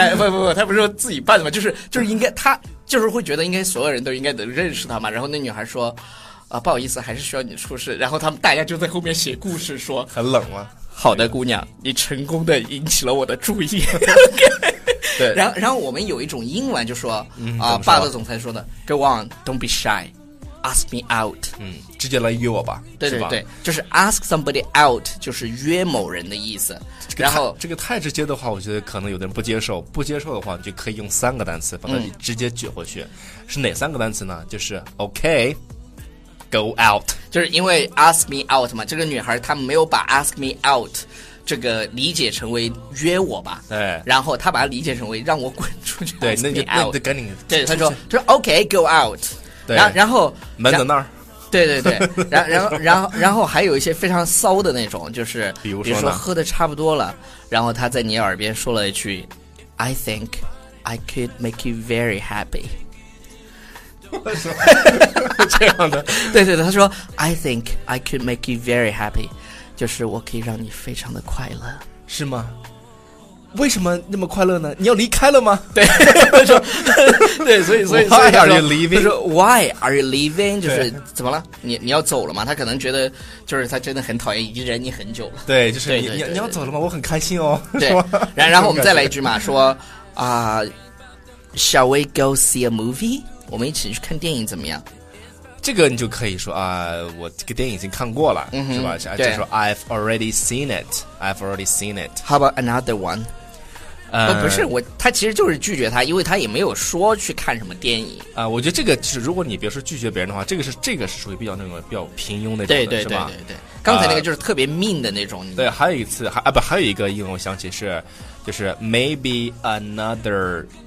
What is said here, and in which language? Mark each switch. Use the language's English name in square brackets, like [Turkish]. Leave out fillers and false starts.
[Chinese] 不，他不是说自己办的吗？就是应该，他就是会觉得应该所有人都应该能认识他嘛。然后那女孩说，啊，不好意思，还是需要你出示。然后他们大家就在后面写故事说，很冷吗？好的，姑娘，你成功的引起了我的注意。对，然后我们有一种英文就说，嗯、啊，霸道总裁说的 [English] ，Go on, don't be shy, ask me out。 [Chinese] 嗯，直接来约我吧。对对对，就是 [English] ask somebody out， [Chinese] 就是约某人的意思。然后这个太直接的话，我觉得可能有的人不接受。不接受的话，你就可以用三个单词把它直接举回去、嗯。是哪三个单词呢？就是 okay。 [English] Go out， [Chinese] 就是因为 [English] ask me out [Chinese] 嘛，这个女孩她没有把 ask me out 这个理解成为约我吧，对，然后她把它理解成为让我滚出去，对，那就赶紧，对，她说 [English] OK go out， [Chinese] 对，然后门在那儿，对对对，然后还有一些非常骚的那种，就是比如说喝的差不多了，然后她在你耳边说了一句 [English] I think I could make you very happy。 [Chinese] 这样的对对对，他说 [English] I think I could make you very happy， [Chinese] 就是我可以让你非常的快乐。是吗？为什么那么快乐呢？你要离开了吗？对，他说对，所以 [English] Why are you leaving？ [Chinese] 他说 [English] Why are you leaving？ [Chinese] 就是怎么了？你要走了吗？他可能觉得就是他真的很讨厌，已经忍你很久了。对，就是对对对对对，你要走了吗？我很开心哦。对，然后我们再来一句嘛，说啊、 [English] Shall we go see a movie？ [Chinese] 我们一起去看电影怎么样？这个你就可以说啊，我这个电影已经看过了，嗯、是吧？就说 [English] I've already seen it， I've already seen it。 How about another one？ [Chinese] 不是，他其实就是拒绝他，因为他也没有说去看什么电影啊、我觉得这个就是，如果你别说拒绝别人的话，这个是属于比较那种比较平庸的，对对对对对。刚才那个就是特别mean的那种。对，还有一次还有一个英文，我想起是就是 [English] maybe another。